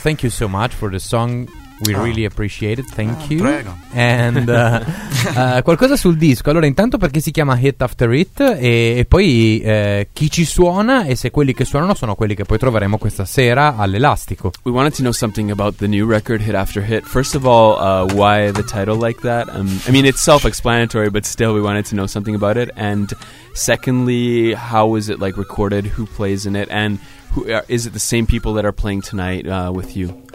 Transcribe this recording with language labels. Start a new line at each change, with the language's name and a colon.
English: Thank you so much for the song. We really appreciate it. Thank you.
Italian: Prego. And qualcosa sul disco. Allora, intanto, perché si chiama Hit After It? E poi chi ci suona? E se quelli che suonano sono quelli che poi troveremo questa sera all'Elastico.
English: We wanted to know something about the new record, Hit After Hit. First of all, why the title like that? I mean, it's self-explanatory, but still, we wanted to know something about it. And secondly, how was it like recorded? Who plays in it? And who is it the same people that are playing tonight with you?